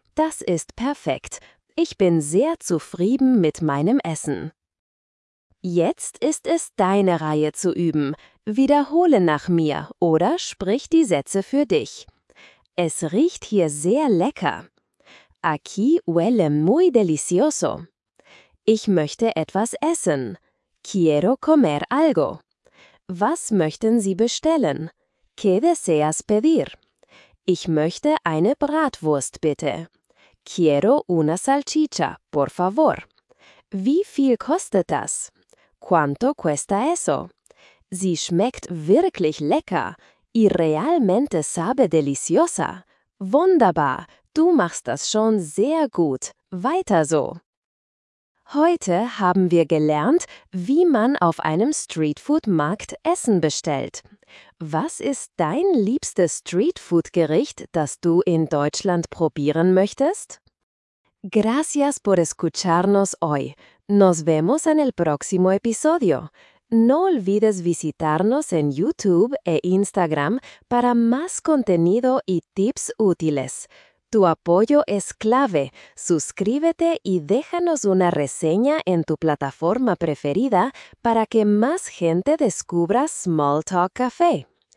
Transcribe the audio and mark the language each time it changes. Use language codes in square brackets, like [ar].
[de] Das ist perfekt. Ich bin sehr zufrieden mit meinem Essen. Jetzt ist es deine Reihe zu üben. Wiederhole nach mir oder sprich die Sätze für dich. Es riecht hier sehr lecker. [es] Aquí huele muy delicioso. [de] Ich möchte etwas essen. [es] Quiero comer algo. [de] Was möchten Sie bestellen? [es] ¿Qué deseas pedir? [de] Ich möchte eine Bratwurst, bitte. [es] Quiero una salchicha, por favor. [de] Wie viel kostet das? [es] ¿Cuánto cuesta eso? [de] Sie schmeckt wirklich lecker. [es] Y realmente sabe deliciosa. [de] Wunderbar, du machst das schon sehr gut. Weiter so. Heute haben wir gelernt, wie man auf einem Streetfood-Markt Essen bestellt. Was ist dein liebstes Streetfood-Gericht, das du in Deutschland probieren möchtest? [es] Gracias por escucharnos hoy. Nos vemos en el próximo episodio. No olvides visitarnos en YouTube e Instagram para más contenido y tips útiles. Tu apoyo es clave. Suscríbete y déjanos una reseña en tu plataforma preferida para que más gente descubra Small Talk Café.